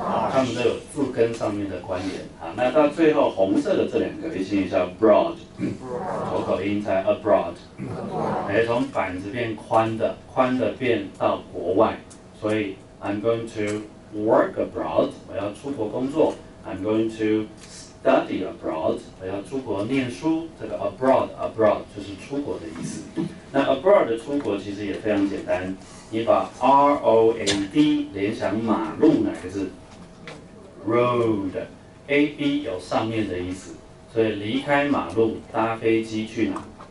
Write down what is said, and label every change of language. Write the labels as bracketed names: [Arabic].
[Chinese] 他们都有字根上面的关联。好，那到最后红色的这两个，今天叫 broad， 口口音在 abroad。哎，从板子变宽的，宽的变到国外，所以 [English] I'm going to work abroad， [Chinese] 我要出国工作。 [English] I'm going to study abroad， [Chinese] 我要出国念书。这个 abroad 就是出国的意思。那 abroad 的出国其实也非常简单，你把 road 联想马路哪个字？ road， a b 有上面的意思，所以离开马路搭飞机去哪？